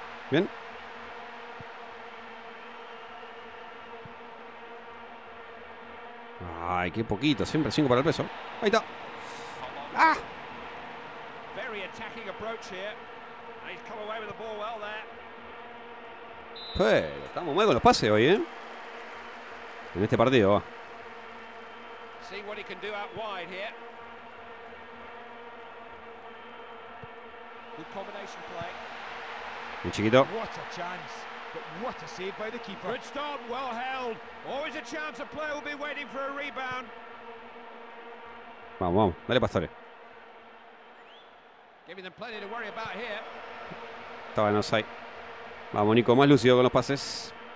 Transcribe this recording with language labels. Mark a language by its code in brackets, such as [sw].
[es] Bien. Ay, qué poquito, siempre 5 para el peso. Ahí está. ¡Ah! [en] Very attacking approach here. He's come away with the ball well there. [es] Pero estamos muy con los pases hoy, En este partido, va. [en] See what he can do out wide here. Good combination play. [es] Un chiquito. [en] What a chance. But what a save by the keeper. Good stop, well held. Always a chance, a player will be waiting for a rebound. [es] Vamos, vamos, dale, Pastore. [en] Giving them plenty to worry about here. [es] Estaba en offside. Vamos, Nico, más lúcido con los pases.